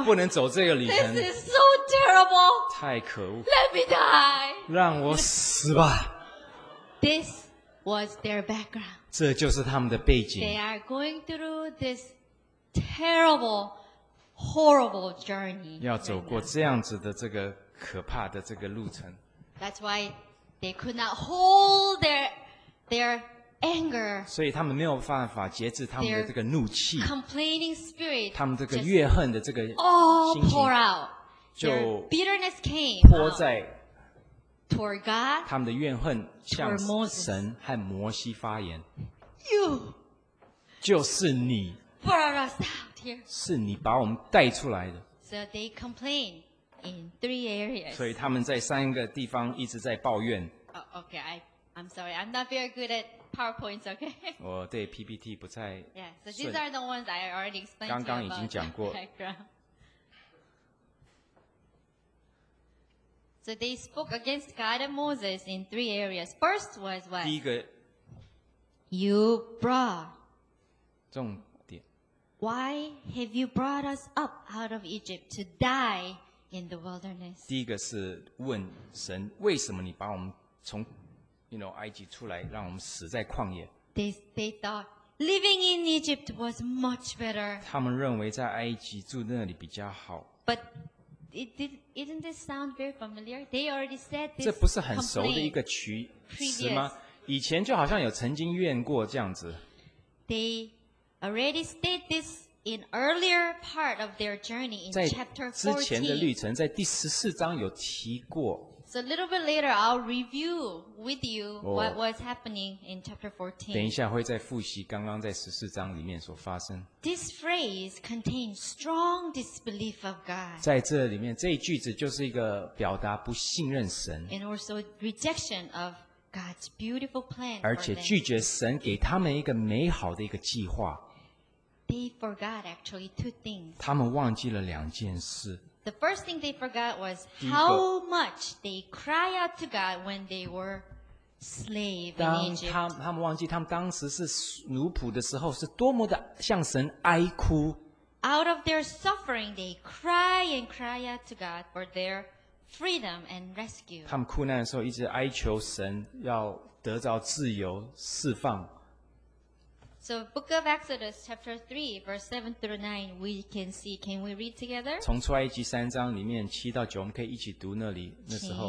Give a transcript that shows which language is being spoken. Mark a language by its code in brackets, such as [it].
[zh] 我不能走这个旅程。 [en] This is so terrible. [zh] 太可恶。 [en] Let me die. [zh] 让我死吧。 [en] This was their background. [zh] 这就是他们的背景。 [en] They are going through this terrible, horrible journey. [zh] 要走过这样子的这个可怕的这个路程。 [en] That's why they could not hold their. Anger, [zh] 所以他们没有办法节制他们的这个怒气 [en] complaining spirit, [zh] 他们这个怨恨的这个心情就 [en] bitterness came [zh] 泼在 [en] toward God, [zh] 他们的怨恨向神和摩西发言 [en] you, [zh] 就是你 [en] brought us out here. [zh] 是你把我们带出来的 [en] so they complain in three areas. [zh] 所以他们在三个地方一直在抱怨 [en] okay, I'm sorry, I'm not very good atPowerpoints, okay? [zh] 我对 PPT 不太 [en] Yeah, so these are the ones I already explained. [zh] 刚刚已经讲过 [en] So they spoke against God and Moses in three areas. First was what? [zh] 第一个 [en] You brought. [zh] 重点 [en] Why have you brought us up out of Egypt to die in the wilderness? [zh] 第一个是问神为什么你把我们从 [en] You know, [zh] 埃及出来让我们死在旷野。 [en] They thought living in Egypt was much better. [zh] 他们认为在埃及住那里比较好。 [en] But Isn't this sound very familiar? They already said this. [zh] 这不是很熟的一个曲词吗？以前就好像有曾经怨过这样子。 [en] They already said this in earlier part of their journey in chapter 14. [zh] 在之前的旅程，在第十四章有提过。 [en] So a little bit later, I'll review with you what was happening in chapter 14. [zh] 等一下会再复习刚刚在十四章里面所发生。 [en] This phrase contains strong disbelief of God. [zh] 在这里面，这一句子就是一个表达不信任神。 [en] And also rejection of God's beautiful plan. [zh] 而且拒绝神给他们一个美好的一个计划。 [en] They forgot actually two things. [zh] 他们忘记了两件事。 [en] The first thing they forgot was how much they cry out to God when they were slaves in Egypt. [zh] 他们忘记他们当时是奴仆的时候是多么的向神哀哭。 [en] Out of their suffering, they cry and cry out to God for their freedom and rescue. [zh] 他们苦难的时候一直哀求神要得到自由释放。 [en] So, Book of Exodus, chapter 3, verse 7 through 9, we can see. Can we read together? [zh] 从出埃及三章里面七到九，我们可以一起读那里那时候。